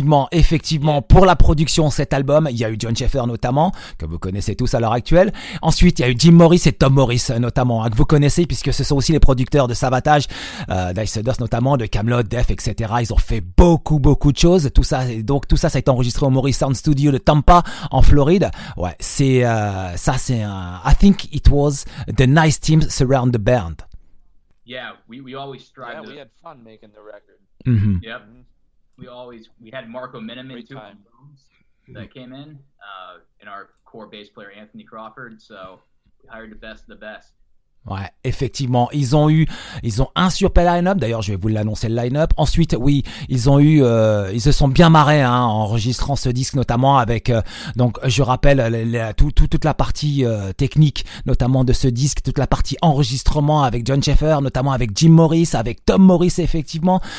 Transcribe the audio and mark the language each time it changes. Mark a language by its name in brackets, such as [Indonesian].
[French] Effectivement, pour la production cet album, il y a eu John Schaefer notamment, que vous connaissez tous à l'heure actuelle. Ensuite, il y a eu Jim Morris et Tom Morris notamment, hein, que vous connaissez puisque ce sont aussi les producteurs de Savatage, d'Ice Dust notamment, de Kaamelott, Def, etc. Ils ont fait beaucoup de choses. Tout ça a été enregistré au Morris Sound Studio de Tampa en Floride. [English] Ouais, I think it was the nice teams surround the band. Yeah, we always strive. Yeah, we had fun making the record. Yep. We had Marco Miniman too that came in, and our core bass player Anthony Crawford. So we hired the best of the best. [French] Ouais, effectivement, ils ont un super line-up. D'ailleurs, je vais vous l'annoncer le line-up. Ensuite, oui, ils ont eu, ils se sont bien marrés, hein, en enregistrant ce disque, notamment avec, donc, je rappelle, toute la partie technique, notamment de ce disque, toute la partie enregistrement avec John Schaefer, notamment avec Jim Morris, avec Tom Morris, effectivement.